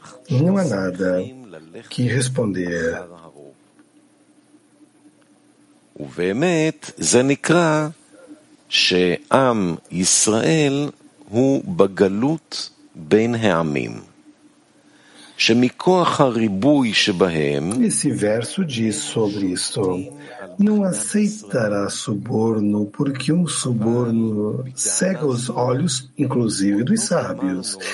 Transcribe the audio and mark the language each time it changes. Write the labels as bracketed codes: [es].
[pt] Não há nada que responder. [he] ובאמת זה נקרא שעם ישראל הוא בגלות בין העמים. [pt] Esse verso diz sobre isto: não aceitará suborno, porque um suborno cega os olhos, inclusive dos sábios.